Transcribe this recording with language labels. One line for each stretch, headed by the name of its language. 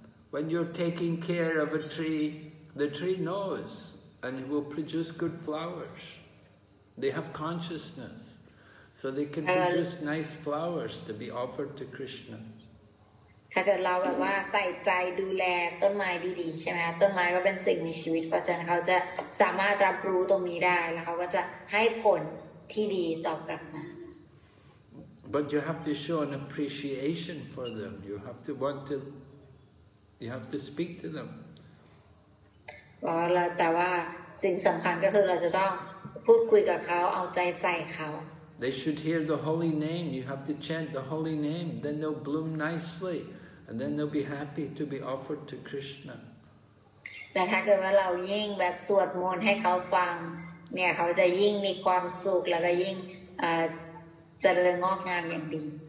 English: When you're taking care of a tree, the tree knows. And it will produce good flowers. They have consciousness, so they can produce nice flowers to be offered to Krishna.
Thai: ถ้าเกิดเราแบบว่าใส่ใจดูแลต้นไม้ดีๆใช่ไหมต้นไม้ก็เป็นสิ่งมีชีวิตเพราะฉะนั้นเขาจะสามารถรับรู้ตรงนี้ได้แล้วเขาก็จะให้ผลที่ดีตอบกลับมา
English: But you have to show an appreciation for them. You have to want to. You have to speak to them.
Thai: แต่ว่าสิ่งสำคัญก็คือเราจะต้องพูดคุยกับเขาเอาใจใส่เขา
English: They should hear the holy name. You have to chant the holy name. Then they'll bloom nicely, and then they'll be happy to be offered to Krishna.
Thai: แต่ถ้าเกิดว่าเรายิ่งแบบสวดมนต์ให้เขาฟังเนี่ยเขาจะยิ่งมีความสุขแล้วก็ยิ่งเจริญงอกงามอย่างดี